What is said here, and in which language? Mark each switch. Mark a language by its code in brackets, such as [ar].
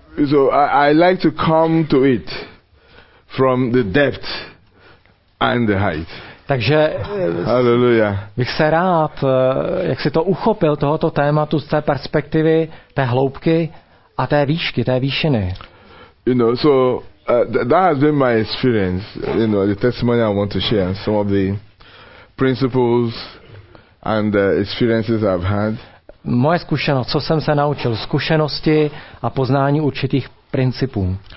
[en] So I like to come to it from the depth and the height. [cs] Takže hallelujah. Bych se rád, jak si to uchopil tohoto tématu z té perspektivy, té hloubky a té výšky, té výšiny. [en] You know, so that has been my experience, you know, the testimony I want to share, some of the principles and experiences I've had. [cs] Moje zkušenost, co jsem se naučil, zkušenosti a poznání určitých principů.